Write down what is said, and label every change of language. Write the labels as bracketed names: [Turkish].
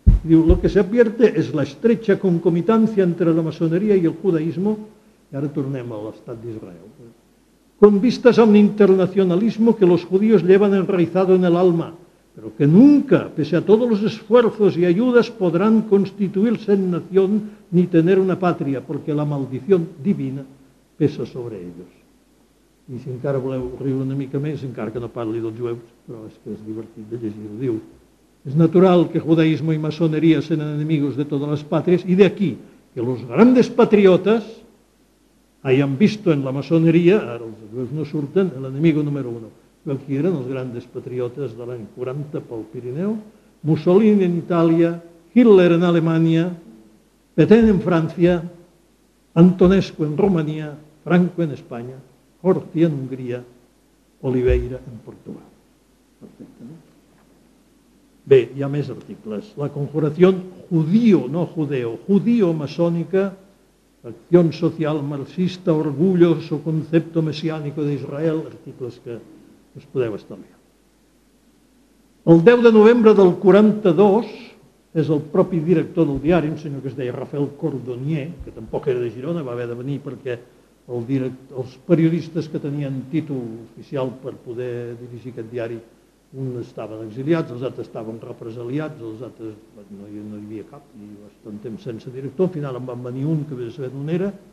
[Spanish] Diu: lo que se advierte es la estrecha concomitancia entre la masonería y el judaísmo, y [Catalan] ara tornem a l'estat d'Israel, [Spanish] con vistas a un internacionalismo que los judíos llevan enraizado en el alma, pero que nunca, pese a todos los esfuerzos y ayudas, podrán constituirse en nación ni tener una patria, porque la maldición divina pesa sobre ellos. [Catalan] I si encara voleu riure una mica més, encara que no parli dels jueus, però és que és divertit de llegir-ho, diu: [Spanish] es natural que judaísmo y masonería sean enemigos de todas las patrias, y de aquí que los grandes patriotas hayan visto en la masonería, [Catalan] ara els jueus no surten, [Spanish] el enemigo número uno. [Catalan] Però qui eren els grans patriotes de l'any 40 pel Pirineu? Mussolini en Itàlia, Hitler en Alemanya, Petain en França, Antonescu en Romania, Franco en Espanya, Horthy en Hongria, Oliveira en Portugal. Perfecte, no? Bé, hi ha més articles. [Spanish] La conjuración judío, no judeo, judío-masónica, acción social marxista, orgullo, su concepto mesiánico de Israel, [Catalan] articles que us podeu establir. El 10 de novembre del 42 és el propi director del diari, un senyor que es deia Rafael Cordonier, que tampoc era de Girona, va haver de venir perquè els periodistes que tenien títol oficial per poder dirigir aquest diari, un estaven exiliats, els altres estaven represaliats, els altres no hi havia cap, i bastant temps sense director. Al final en van venir un, que vés a saber d'on era,